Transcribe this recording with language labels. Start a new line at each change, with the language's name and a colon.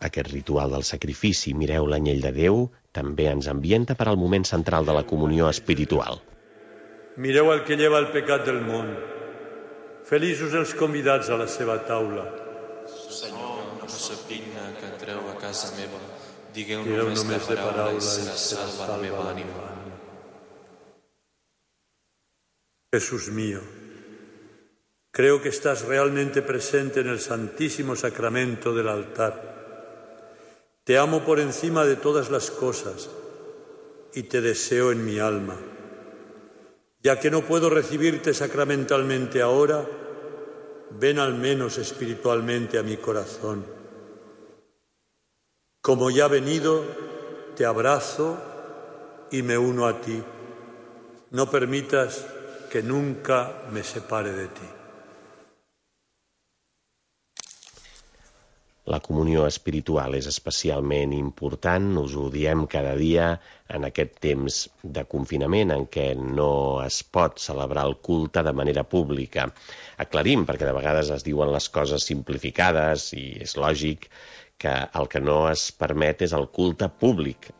Catalan: Ritual del sacrifici, mireu l'anyell de Déu, també ens ambienta per al moment central de la comunió espiritual. Mireu el que lleva el pecat del món. Feliços els convidats a la seva taula. Senyor, no sóc digne que entreu a casa meva. Digueu només de paraula i serà salva la meva ànima.
Spanish: Jesús mío, creo que estás realmente presente en el Santísimo Sacramento del altar. Te amo por encima de todas las cosas y te deseo en mi alma. Ya que no puedo recibirte sacramentalmente ahora, ven al menos espiritualmente a mi corazón. Como ya he venido, te abrazo y me uno a ti. No permitas que nunca me separe de ti.
Catalan: La comunió espiritual és especialment important, us ho diem cada dia en aquest temps de confinament en què no es pot celebrar el culte de manera pública. Aclarim, perquè de vegades es diuen les coses simplificades i és lògic que el que no es permet és el culte públic.